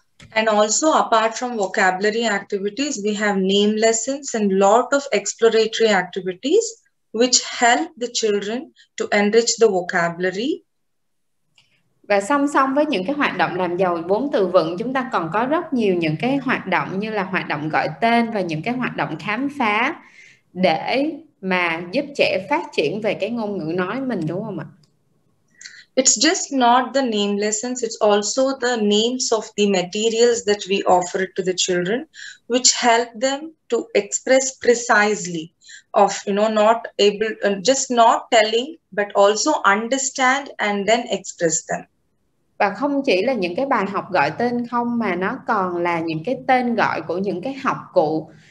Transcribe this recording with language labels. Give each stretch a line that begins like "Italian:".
English: And also, apart from vocabulary activities, we have name lessons and lot of exploratory activities which help the children to enrich the vocabulary.
Vietnamese: Và song song với những cái hoạt động làm giàu vốn từ vựng, chúng ta còn có rất nhiều những cái hoạt động như là hoạt động gọi tên và những cái hoạt động khám phá để mà giúp trẻ phát triển về cái ngôn ngữ nói mình, đúng không ạ?
English: It's just not the name lessons, it's also the names of the materials that we offer to the children, which help them to express precisely of, you know, not able, just not telling, but also understand and then express them.
Vietnamese: Và không chỉ là những cái bài học gọi tên không, mà nó còn là những cái tên gọi của những cái học cụ.